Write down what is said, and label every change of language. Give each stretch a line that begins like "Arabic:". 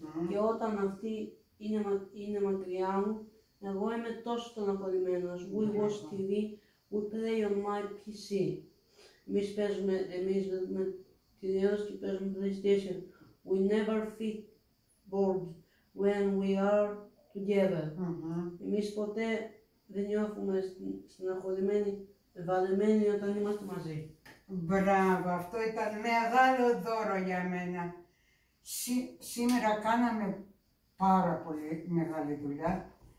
Greek: Και όταν αυτή είναι μακριά μου, εγώ είμαι τόσο στεναχωρημένος.
English: We watch TV, we play on my PC.
Greek: Εμείς παίζουμε, εμείς με κυρίως και παίζουμε PlayStation.
English: We never feel bored when we are together.
Greek: Εμείς ποτέ δεν νιώθουμε στεναχωρημένοι, βαλεμένοι όταν είμαστε μαζί. Μπράβο, αυτό ήταν μεγάλο δώρο για μένα. Σήμερα κάναμε πάρα πολύ μεγάλη δουλειά.